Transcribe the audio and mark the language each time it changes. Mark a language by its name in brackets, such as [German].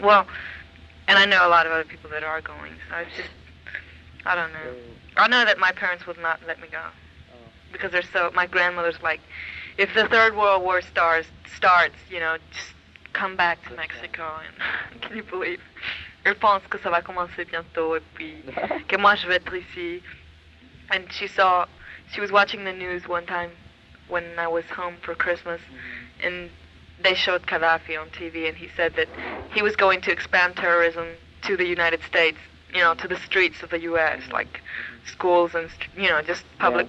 [English] Well, and I know a lot of other people that are going, so I just, I don't know. I know that my parents would not let me go. Oh. Because they're so, my grandmother's like, if the Third World War starts, you know, just come back to Mexico, and can you believe? [French] Elle pense que ça va commencer bientôt, et puis que moi je vais être ici. [English] And she was watching the news one time when I was home for Christmas, mm-hmm. and they showed Gaddafi on TV, and he said that he was going to expand terrorism to the United States, you know, to the streets of the U.S., mm-hmm. like schools and, you know, just public